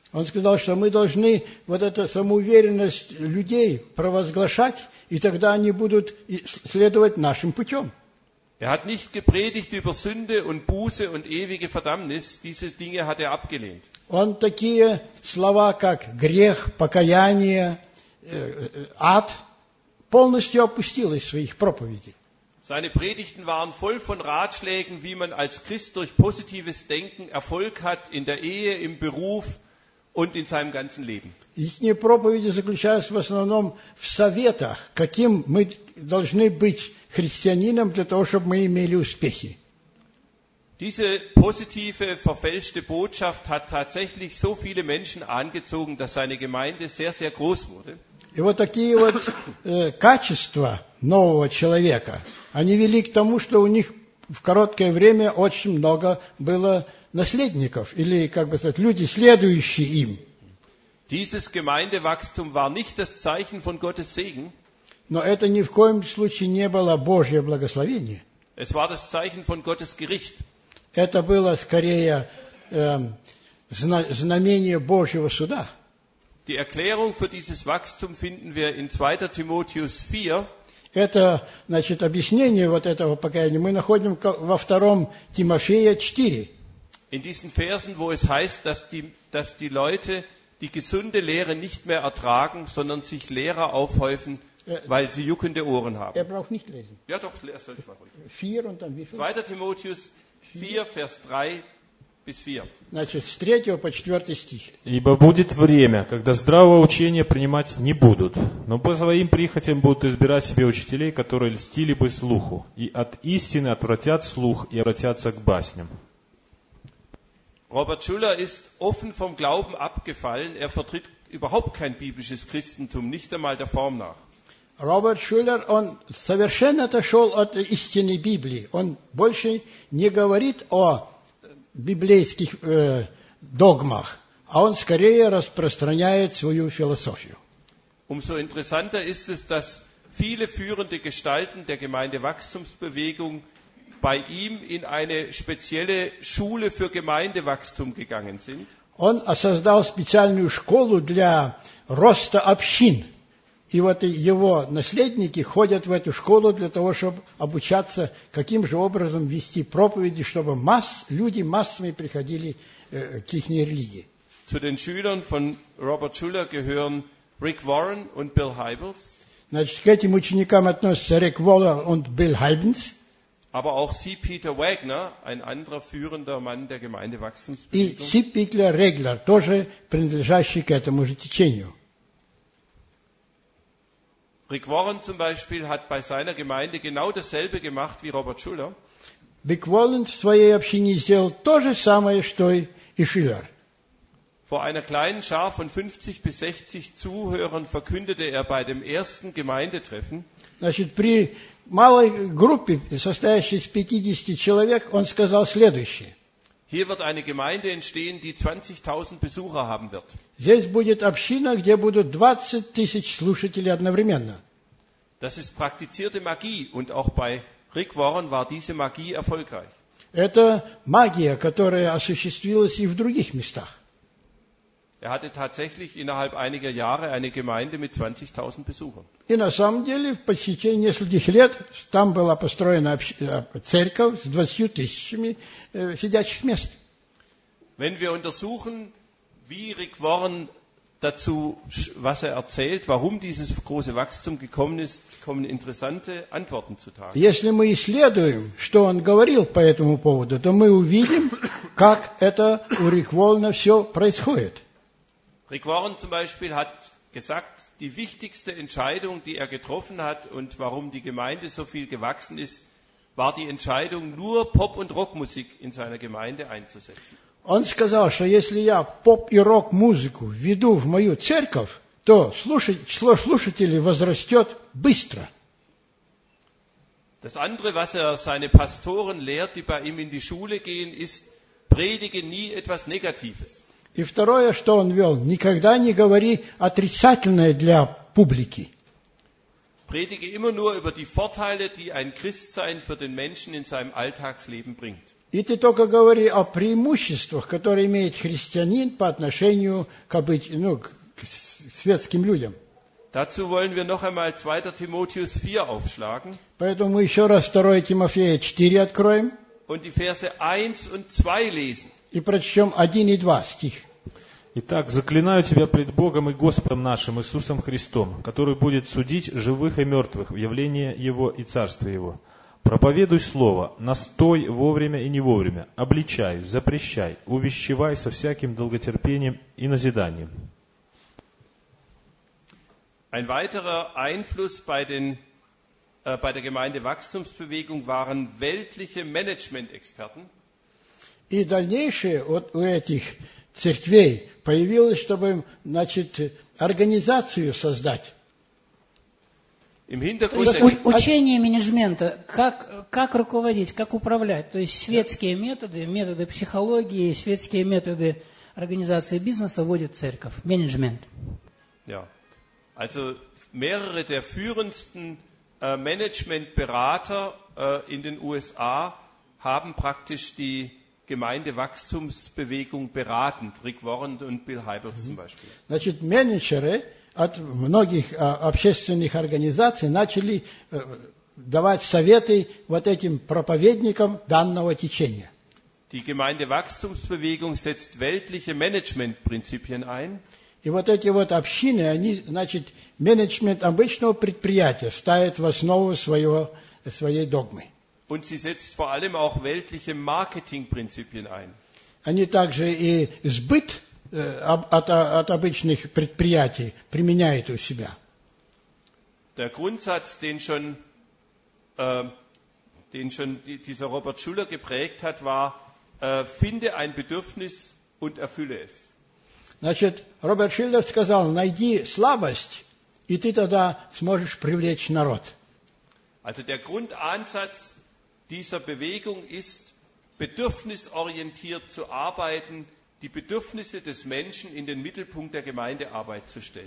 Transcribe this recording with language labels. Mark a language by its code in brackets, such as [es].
[ru] Он сказал, что мы должны вот эту самоуверенность людей провозглашать, и тогда они будут следовать нашим путем. [de] Er hat nicht gepredigt über Sünde und Buße und ewige Verdammnis. Diese Dinge hat er abgelehnt. [ru] Он такие слова, как грех, покаяние, ад, полностью опустил из своих проповедей. [de] Seine Predigten waren voll von Ratschlägen, wie man als Christ durch positives Denken Erfolg hat in der Ehe, im Beruf und in seinem ganzen Leben. [ru] Ихние проповеди заключались в основном в советах, каким мы должны быть христианином для того, чтобы мы имели успехи. [de] Diese positive, verfälschte Botschaft hat tatsächlich so viele Menschen angezogen, dass seine Gemeinde sehr, sehr groß wurde. [ru] И вот такие вот качества нового человека, они вели к тому, что у них в короткое время очень много было наследников, или, как бы сказать, люди, следующие им. [de] Dieses Gemeindewachstum war nicht das Zeichen von Gottes Segen. [ru] Но это ни в коем случае не было Божье благословение. [de] Es war das Zeichen von Gottes Gericht. [ru] Это было скорее знамение Божьего суда. [de] Die Erklärung für dieses Wachstum finden wir in 2. Timotheus 4. [ru] Это, значит, объяснение вот этого покаяния мы находим во 2 Тимофея 4. [de] In diesen Versen, wo es heißt, dass die Leute die gesunde Lehre nicht mehr ertragen, sondern sich Lehrer aufhäufen, weil sie juckende Ohren haben. Er braucht nicht lesen. Ja doch, soll ich mal ruhig. 4 und dann wie viel? 2. Timotheus 4, Vers 3. [ru] Значит, с 3 по 4 стих. «Ибо будет время, когда здравого учения принимать не будут, но по своим прихотям будут избирать себе учителей, которые льстили бы слуху, и от истины отвратят слух и обратятся к басням». [de] Robert Schuller ist offen vom Glauben abgefallen. Er vertritt überhaupt kein biblisches Christentum, nicht einmal der Form nach. [ru] Robert Schuller, он совершенно отошел от истины Библии. Он больше не говорит о библейских догмах, а он скорее распространяет свою философию. [de] Umso interessanter ist es, dass viele führende Gestalten der Gemeindewachstumsbewegung bei ihm in eine spezielle Schule für Gemeindewachstum gegangen sind. [ru] Он создал специальную школу для роста общин. И вот его наследники ходят в эту школу для того, чтобы обучаться, каким же образом вести проповеди, чтобы люди массами приходили к их религии. [de] Zu den Schülern von Robert Schuller gehören Rick Warren und Bill Hybels. [ru] Значит, к этим ученикам относятся Рик Воллер и Билл Хайбенс. [de] Aber auch C. Peter Wagner, ein anderer führender Mann der Gemeindewachstumsbewegung. [ru] И C. Peter Wagner, тоже принадлежащий к этому же течению. [de] Rick Warren zum Beispiel hat bei seiner Gemeinde genau dasselbe gemacht wie Robert Schuller. [ru] Rick Warren в своей общине сделал то же самое, что и Schuller. [de] Vor einer kleinen Schar von 50 bis 60 Zuhörern verkündete er bei dem ersten Gemeindetreffen. [ru] Значит, при малой группе, состоящей из 50 человек, он сказал следующее. [de] Hier wird eine Gemeinde entstehen, die 20.000 Besucher haben wird. [ru] Здесь будет община, где будут 20 000 слушателей одновременно. [de] Das ist praktizierte Magie und auch bei Rick Warren war diese Magie erfolgreich. [ru] Это магия, которая осуществилась и в других местах. [de] Er hatte tatsächlich innerhalb einiger Jahre eine Gemeinde mit 20.000 Besuchern. [ru] И на самом деле в течение нескольких лет там была построена церковь с 20 000 сидячих мест. [de] Wenn wir untersuchen, wie Rick Warren dazu, was er erzählt, warum dieses große Wachstum gekommen ist, kommen interessante Antworten zutage. [ru] Если мы исследуем, что он говорил по этому поводу, то мы увидим, как это у Рикворна все происходит. [de] Рикворн zum Beispiel hat gesagt, die wichtigste Entscheidung, die er getroffen hat und warum die Gemeinde so viel gewachsen ist, war die Entscheidung, nur Pop- und Rockmusik in seiner Gemeinde einzusetzen. [ru] Он сказал, что если я поп- и рок-музыку введу в мою церковь, то число слушателей возрастет быстро. [de] Das andere, was er seine Pastoren lehrt, die bei ihm in die Schule gehen, ist, predige nie etwas Negatives. [ru] И второе, что он вел, никогда не говори отрицательное для публики. [de] Predige immer nur über die Vorteile, die ein Christsein für den Menschen in seinem Alltagsleben bringt. [ru] И ты только говори о преимуществах, которые имеет христианин по отношению к, ну, к светским людям. [de] Dazu wollen wir noch einmal 2. Timotheus 4 aufschlagen. [ru] Поэтому еще раз 2 Тимофея 4 откроем. [de] Und die Verse 1 und 2 lesen. [ru] И прочтем 1 и 2 стих. Итак, заклинаю тебя пред Богом и Господом нашим Иисусом Христом, который будет судить живых и мертвых в явление Его и Царство Его. Проповедуй слово, настой вовремя и не вовремя, обличай, запрещай, увещевай со всяким долготерпением и назиданием. [de] Ein weiterer Einfluss bei der Gemeindewachstumsbewegung waren weltliche Management-Experten. [ru] И дальнейшее вот у этих церквей появилось, чтобы им, значит, организацию создать. [de] Im Hintergrund [ru] учение менеджмента, как руководить, как управлять, то есть светские методы, методы психологии, светские методы организации бизнеса вводят в церковь, менеджмент. [de] Ja, also mehrere der führendsten Management-Berater in den USA haben praktisch die Gemeindewachstumsbewegung beraten, Rick Warren und Bill Hybels zum Beispiel. [ru] Значит, менеджеры от многих общественных организаций начали давать советы вот этим проповедникам данного течения. [de] Die Gemeindewachstumsbewegung setzt weltliche Managementprinzipien ein. [ru] И вот эти вот общины, они, значит, менеджмент обычного предприятия ставят в основу своей догмы. [de] Und sie setzt vor allem auch weltliche Marketingprinzipien ein. [ru] Они также и сбыт от обычных предприятий применяют у себя. [de] Der Grundsatz, den schon dieser Robert Schuller geprägt hat, war, finde ein Bedürfnis und erfülle es. [ru] Значит, Роберт Шиллер сказал, найди слабость, и ты тогда сможешь привлечь народ. [de] Also der Grundansatz dieser Bewegung ist, bedürfnisorientiert zu arbeiten, die Bedürfnisse des Menschen in den Mittelpunkt der Gemeindearbeit zu stellen.